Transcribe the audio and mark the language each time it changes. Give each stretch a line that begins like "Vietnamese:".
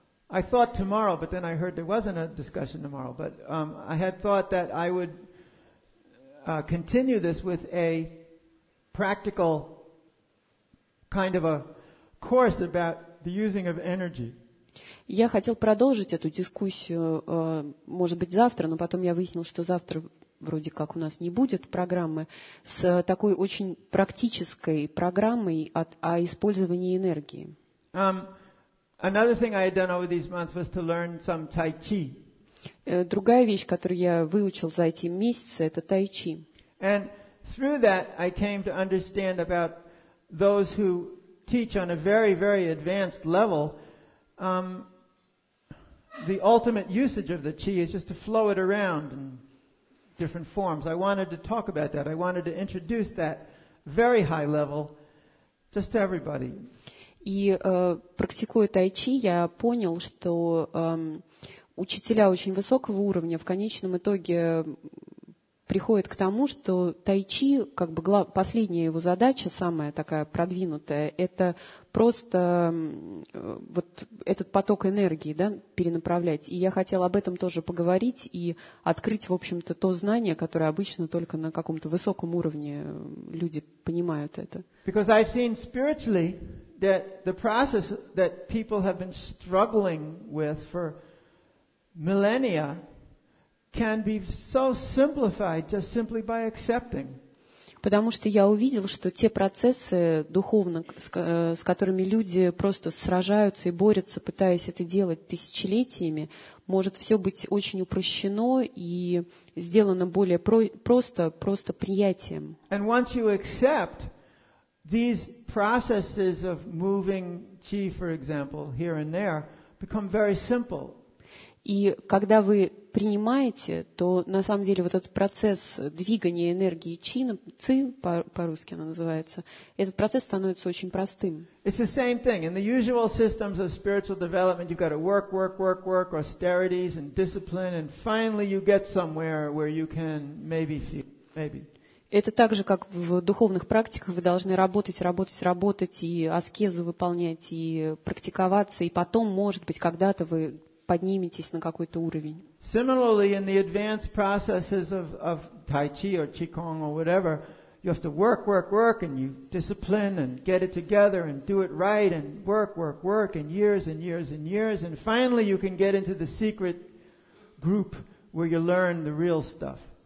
English: I thought tomorrow, but then I heard there wasn't a discussion tomorrow. But I had thought that I would continue this with a practical kind of a course about the using of energy.
Russian: Я хотел продолжить эту дискуссию, может быть, завтра, но потом я выяснил, что завтра вроде как у нас не будет программы с такой очень практической программой о использовании энергии.
English: Another thing I had done over these months was to learn some tai chi.
Russian: Другая вещь, которую я выучил за эти месяцы, это тай чи.
English: And through that I came to understand about those who teach on a very, very advanced level, the ultimate usage of the chi is just to flow it around in different forms. I wanted to talk about that. I wanted to introduce that very high level just to everybody.
Russian: И практикуя тай-чи, я понял, что учителя очень высокого уровня в конечном итоге приходят к тому, что тай-чи, как бы последняя его задача, самая такая продвинутая, это просто вот этот поток энергии, да, перенаправлять. И я хотела об этом тоже поговорить и открыть, в общем-то, то знание, которое обычно только на каком-то высоком уровне люди понимают это.
English: Because I've seen spiritually that the process that people have been struggling with for millennia can be so simplified just simply by accepting.
Russian: Потому что я увидел, что те процессы духовно, с которыми люди просто сражаются и борются, пытаясь это делать тысячелетиями, может все быть очень упрощено и сделано более просто приятием.
English: And once you accept these processes of moving qi, for example, here and there, become very simple.
Russian: И когда вы принимаете, то на самом деле вот этот процесс двигания энергии чи, ци, по-русски она называется, этот процесс становится очень простым.
English: It's the same thing. In the usual systems of spiritual development, you've got to work, work, work, work, austerities and discipline, and finally you get somewhere where you can maybe feel, maybe.
Russian: Это так же, как в духовных практиках, вы должны работать, работать, работать, и аскезу выполнять, и практиковаться, и потом, может быть, когда-то вы подниметесь на какой-то уровень.
English: Similarly, in the advanced processes of Tai Chi or Qigong or whatever, you have to work, work, work, and you discipline and get it together and do it right and work, work, work, and years and years and years, and finally you can get into the secret group where you learn the real stuff.